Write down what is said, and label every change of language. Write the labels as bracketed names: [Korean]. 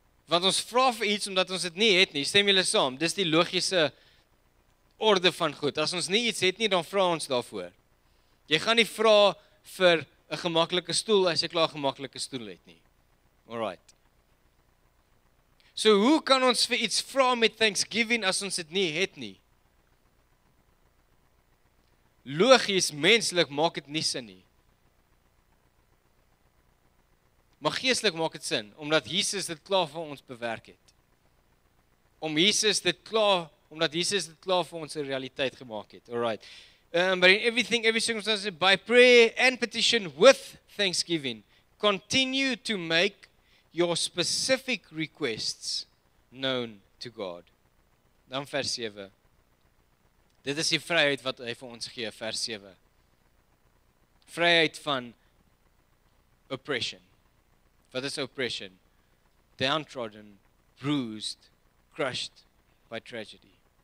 [Afrikaans] Want ons vra vir iets omdat ons dit nie het nie. Stem julle saam? Dis die logiese orde van goed. As ons nie iets het nie, dan vra ons daarvoor. Jy gaan nie vra vir 'n gemaklike stoel as jy klaar 'n gemaklike stoel het nie. [English] Alright. [Afrikaans] So hoe kan ons vir iets vra met thanksgiving as ons dit nie het nie? Logies, menslik, maak dit nie sin nie. Maar geestelik maak dit sin, omdat Jesus dit klaar vir ons bewerk het. Omdat Jesus dit klaar vir ons 'n realiteit gemaak het. [English] Alright. But in everything, every circumstance, by prayer and petition with thanksgiving, continue to make your specific requests known to God. [Afrikaans] Dan vers 7. Dit is die vryheid wat hy vir ons gee, vers 7. Vryheid van oppression. Wat is oppression? [English] Downtrodden, bruised, crushed by tragedy.